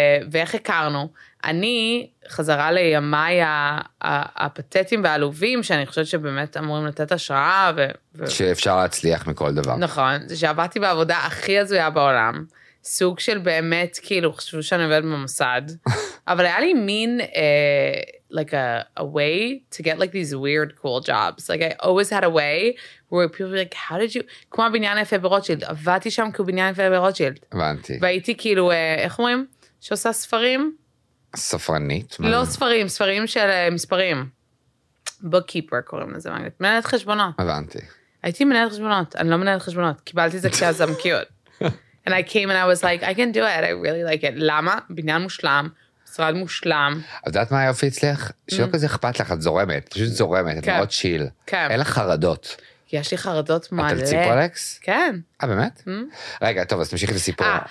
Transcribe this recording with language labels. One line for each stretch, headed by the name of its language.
Hebrew: ואיך הכרנו? אני חזרה לימי הפתטים והעלובים, שאני חושבת שבאמת אמורים לתת השראה. שאפשר להצליח מכל דבר. נכון, זה שעבדתי בעבודה הכי הזויה בעולם, סוג של באמת כאילו, חושבו שאני עובד במוסד, אבל היה לי מין...
English: like a way to get like these weird cool jobs. Like I always had a way where people were like, how did you,
Hebrew: כמו בניין יפה ברוטשילד,
English: עבדתי שם כמו בניין יפה ברוטשילד.
Hebrew: הבנתי. והייתי כאילו, איך אומרים? שעושה ספרים? ספרנית? לא ספרים, ספרים של מספרים. Bookkeeper קוראים לזה, מנהלת חשבונות. הבנתי. הייתי מנהלת חשבונות, אני לא מנהלת חשבונות, קיבלתי זה כשעזם קיוט.
English: And I came and I was like, I can do it, I really like it.
Hebrew: למה? בניין מושלם. משרד מושלם. את יודעת מה היופי אצלך? שלא כזה אכפת לך, את זורמת, פשוט זורמת, את מאוד צ'יל. כן. אין לך חרדות. יש לי חרדות מלא. את על ציפולקס? כן. באמת? רגע, טוב, אז תמשיכי לסיפור.